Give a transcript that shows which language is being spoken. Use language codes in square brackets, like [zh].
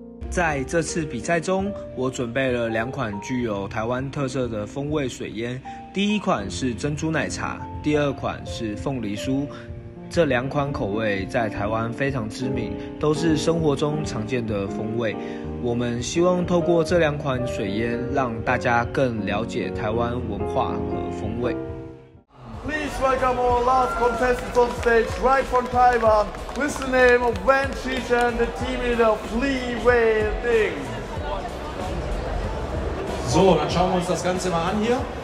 [zh] 在这次比赛中，我准备了两款具有台湾特色的风味水烟，第一款是珍珠奶茶，第二款是凤梨酥。这两款口味在台湾非常知名，都是生活中常见的风味。我们希望透过这两款水烟，让大家更了解台湾文化和风味。 [en] Please welcome our last contestant on stage, right from Taiwan, with the name of Van Shisha and the team leader, Flea Wei Ding. [de] So, dann schauen wir uns das Ganze mal an hier.